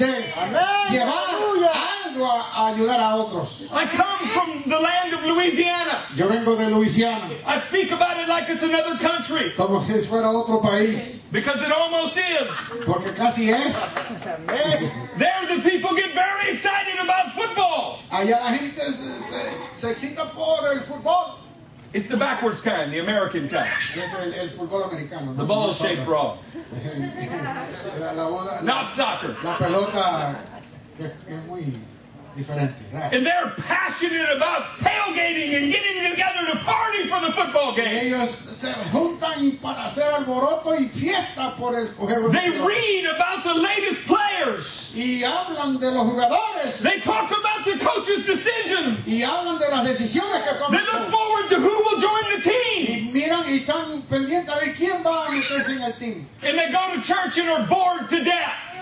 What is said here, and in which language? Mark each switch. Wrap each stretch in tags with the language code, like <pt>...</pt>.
<es>Llevar algo a ayudar a otros.</es> <en>I come from the land of Louisiana.</en> <es>Yo vengo de Louisiana.</es> <en>I speak about it like it's another country.</en> <es>Como si fuera otro país.</es> <en>Because it almost is.</en> <es>Porque casi es.</es> <en>There the people get very excited about football.</en> <es>Allá la gente se excita por el fútbol.</es> <en>It's the backwards kind, the American kind.</en> <es>El fútbol americano.</es> <en>The ball shaped wrong. Not soccer.</en> <es>La pelota que es muy diferente.</es> <en>And they're passionate about tailgating and getting together to party for the football game.</en> <es>Ellos se juntan para hacer alboroto y fiesta por el juego.</es> <en>They read about the latest players.</en> <es>Y hablan de los jugadores.</es> <en>They talk about the coaches' decisions.</en> <es>Y hablan de las decisiones que toman.</es> <en>They look forward to who will join the team.</en> <es>Y miran y están pendientes a ver quién va a meterse en el team.</es> <en>And they go to church and are bored to death.</en>